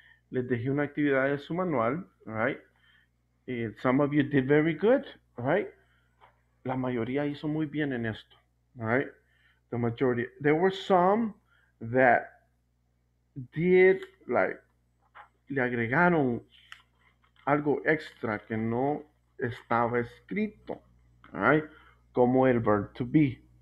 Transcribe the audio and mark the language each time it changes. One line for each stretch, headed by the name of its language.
Spanish: Les dejé una actividad de su manual, right?
English: And some of you did very good, right?
Spanish: La mayoría hizo muy bien en esto, right?
English: The majority. There were some that did, like,
Spanish: le agregaron algo extra que no estaba escrito, right? Como el verb to be.